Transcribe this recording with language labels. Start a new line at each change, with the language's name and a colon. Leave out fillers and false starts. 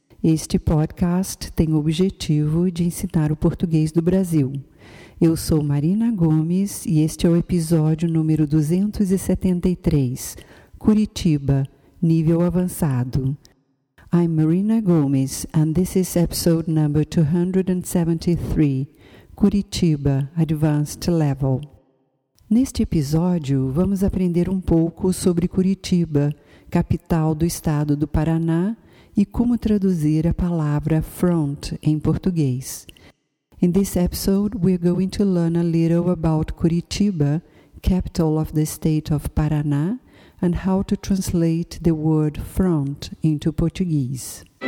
Portuguese: Este podcast tem o objetivo de ensinar o português do Brasil. Eu sou Marina Gomes e este é o episódio número 273, Curitiba, nível avançado.
English: I'm Marina Gomes and this is episode number 273, Curitiba, Advanced Level.
Portuguese: Neste episódio, vamos aprender um pouco sobre Curitiba, capital do estado do Paraná, e como traduzir a palavra front em português.
English: In this episode, we're going to learn a little about Curitiba, capital of the state of Paraná, and how to translate the word front into Portuguese.